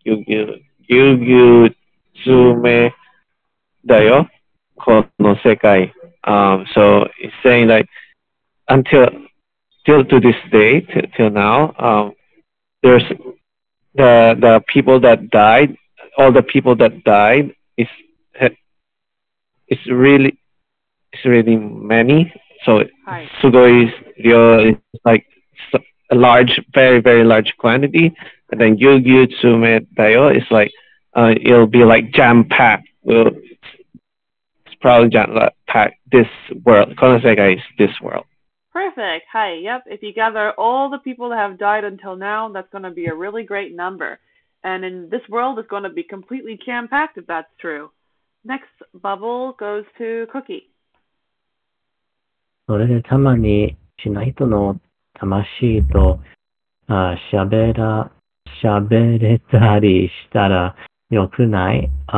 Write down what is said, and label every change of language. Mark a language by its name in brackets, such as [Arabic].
[Japanese] ぎゅうぎゅう詰めだよ、この世界。 [English] So it's saying like, until to this day, till now, there's the people that died, all the people that died is really many. So sugoi is like a large, very very large quantity. And then gyugyu tsume dayo is like it'll be like jam packed. Well, it's probably jam packed this world. Kono sekai is this world. Perfect. Hi. Yep. If you gather all the people that have died until now, that's going to be a really great number. And in this world, it's going to be completely jam-packed if that's true. Next bubble goes to Cookie. [Japanese] それでたまに死んだ人の魂と喋れたりしたらよくない。